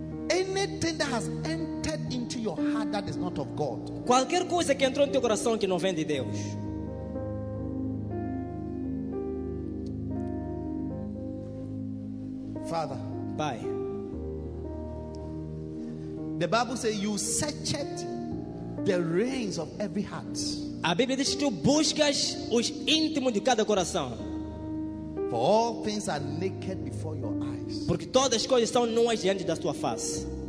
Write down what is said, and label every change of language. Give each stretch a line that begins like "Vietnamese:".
English: Anything that has entered into your heart that is not of God.
Portuguese: Qualquer coisa que entrou no teu coração que não vem de Deus.
English: Father.
Portuguese: Pai.
English: The Bible says you searched the reins of every heart.
Portuguese: A Bíblia diz que tu buscas os íntimos de cada coração.
English: For all things are naked before your eyes.
Portuguese: Porque todas as coisas estão nuas diante da tua face.